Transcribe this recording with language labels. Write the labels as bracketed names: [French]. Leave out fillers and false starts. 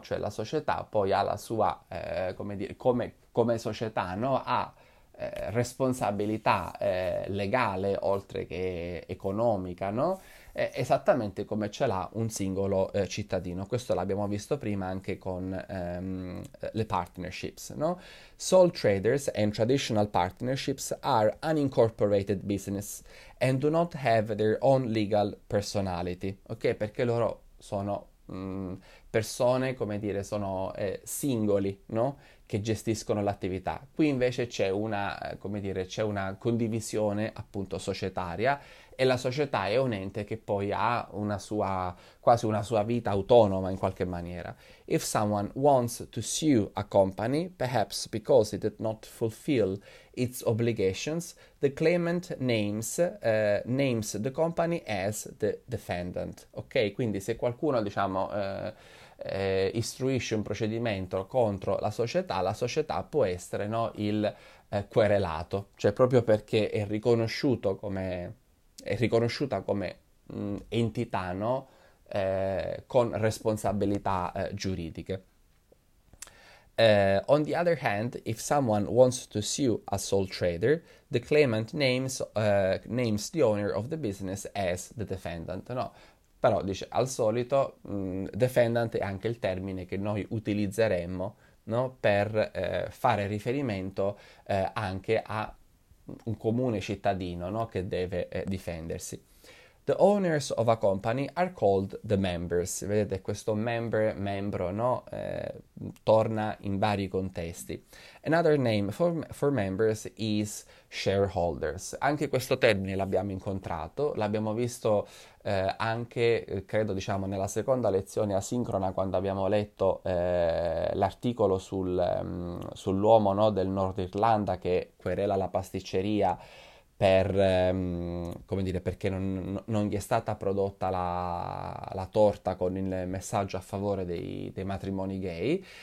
[Italian] Cioè la società poi ha la sua, come dire, come società, no? Ha responsabilità legale oltre che economica, no? Esattamente come ce l'ha un singolo cittadino. Questo l'abbiamo visto prima anche con le partnerships, no? [English] Sole traders and traditional partnerships are unincorporated business and do not have their own legal personality, ok? [Italian] Perché loro sono persone, come dire, sono singoli, no? Che gestiscono l'attività. Qui invece c'è una, come dire, c'è una condivisione appunto societaria, e la società è un ente che poi ha una sua, quasi una sua vita autonoma in qualche maniera. [English] If someone wants to sue a company, perhaps because it did not fulfill its obligations, the claimant names the company as the defendant. [Italian] Ok, quindi se qualcuno, diciamo, istruisce un procedimento contro la società può essere, no, il querelato, cioè proprio perché è riconosciuto come, è riconosciuta come entità, no, con responsabilità giuridiche. [English] On the other hand, if someone wants to sue a sole trader, the claimant names the owner of the business as the defendant, no? [Italian] Però dice, al solito, defendant è anche il termine che noi utilizzeremmo, no, per fare riferimento anche a un comune cittadino, no, che deve difendersi. [English] The owners of a company are called the members. [Italian] Vedete, questo member, membro, no, torna in vari contesti. [English] Another name for members is shareholders. [Italian] Anche questo termine l'abbiamo incontrato, l'abbiamo visto anche, credo, diciamo, nella seconda lezione asincrona, quando abbiamo letto l'articolo sull'uomo, no, del Nord Irlanda che querela la pasticceria per, come dire, perché non gli è stata prodotta la torta con il messaggio a favore dei matrimoni gay.